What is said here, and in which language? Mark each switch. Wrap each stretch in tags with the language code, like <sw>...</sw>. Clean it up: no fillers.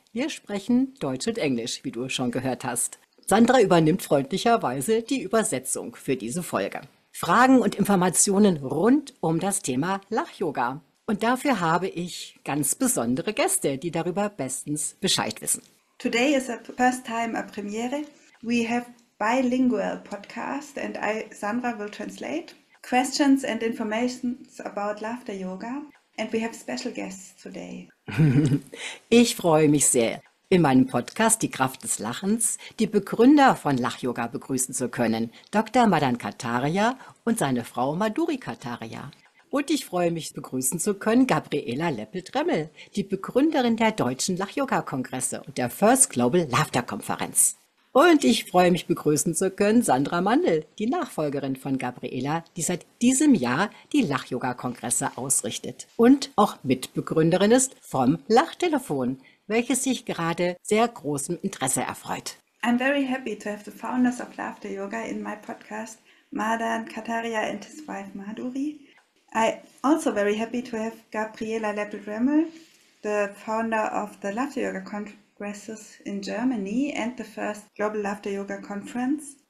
<de>Wir sprechen Deutsch und Englisch, wie du schon gehört hast. Sandra übernimmt freundlicherweise die Übersetzung für diese Folge. Fragen und Informationen rund um das Thema Lach-Yoga. Und dafür habe ich ganz besondere Gäste, die darüber bestens Bescheid wissen.</de> <en>Today is a first time a premiere. We have bilingual podcast and Sandra will translate. Questions and information about Laughter Yoga. And we have special guests today.</en> <de>Ich freue mich sehr. In meinem Podcast Die Kraft des Lachens die Begründer von Lach-Yoga begrüßen zu können, Dr. Madan Kataria und seine Frau Madhuri Kataria. Und ich freue mich, begrüßen zu können Gabriela Leppel-Dremmel, die Begründerin der Deutschen Lach-Yoga-Kongresse und der First Global Laughter-Konferenz. Und ich freue mich, begrüßen zu können Sandra Mandl, die Nachfolgerin von Gabriela, die seit diesem Jahr die Lach-Yoga-Kongresse ausrichtet und auch Mitbegründerin ist vom Lachtelefon, welches sich gerade sehr großem Interesse erfreut.</de> <en>I'm very happy to have the founders of Laughter Yoga in my podcast, Madan Kataria and his wife Madhuri. I'm also very happy to have Gabriela Leppel-Dremmel, the founder of the Laughter Yoga Congresses in Germany and the first Global Laughter Yoga Conference.</en>